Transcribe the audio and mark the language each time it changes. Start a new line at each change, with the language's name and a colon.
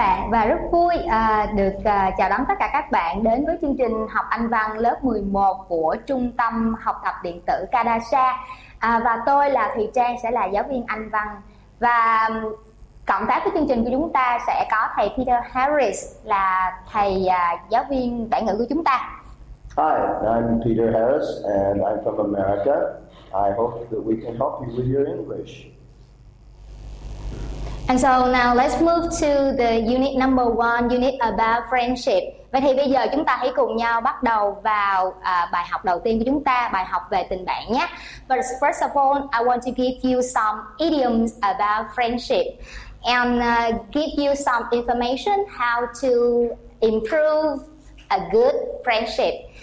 Vietnamese: và rất vui được chào đón tất cả các bạn đến với chương trình học Anh văn lớp 11 của Trung tâm Học tập Điện tử Kadasha. Và tôi là Thùy Trang, sẽ là giáo viên Anh văn. Và cộng tác với chương trình của chúng ta sẽ có thầy Peter Harris, là thầy giáo viên bản ngữ của chúng ta.
English: Hi, I'm Peter Harris and I'm from America. I hope that we can help you with your English. And so now let's move to the unit number one, unit about friendship.
Vietnamese: Vậy thì bây giờ chúng ta hãy cùng nhau bắt đầu vào bài học đầu tiên của chúng ta, bài học về tình bạn nhé.
English: But first of all, I want to give you some idioms about friendship and give you some information how to improve a good friendship.